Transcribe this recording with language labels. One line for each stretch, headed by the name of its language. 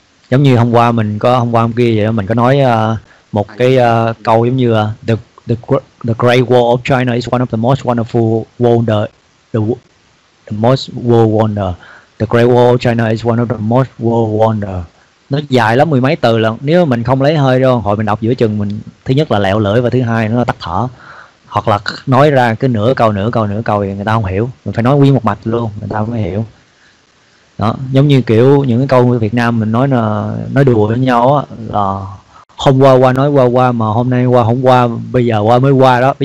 Vietnamese: Giống như hôm qua mình có, hôm qua hôm kia vậy đó, mình có nói một cái câu giống như
English: the Great Wall of China is one of the most wonderful wonder, the most world wonder. The Great Wall of China is one of the most world wonder.
Vietnamese: Nó dài lắm, mười mấy từ lận. Nếu mà mình không lấy hơi đâu, hồi mình đọc giữa chừng mình thứ nhất là lẹo lưỡi và thứ hai nó là tắt thở. Hoặc là nói ra cứ nửa câu thì người ta không hiểu. Mình phải nói nguyên một mạch luôn, người ta mới hiểu. Đó, giống như kiểu những cái câu của Việt Nam mình nói là nói đùa với nhau á, là hôm qua qua nói qua qua mà hôm nay qua hôm qua, bây giờ qua mới qua đó.